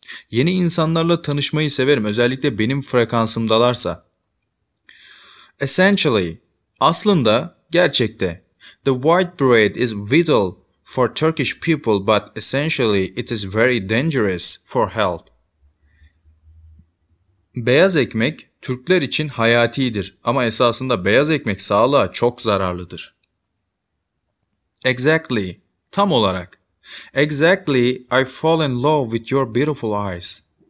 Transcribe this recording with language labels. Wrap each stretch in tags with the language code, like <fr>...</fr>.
<tr>Yeni insanlarla tanışmayı severim, özellikle benim frekansımdalarsa.</tr> <en>Essentially,</en> <tr>aslında, gerçekte.</tr> <en>The white bread is vital for Turkish people, but essentially it is very dangerous for health.</en> <tr>Beyaz ekmek Türkler için hayatidir ama esasında beyaz ekmek sağlığa çok zararlıdır.</tr> <en>Exactly, tam olarak. Exactly, I fall in love with your beautiful eyes.</en>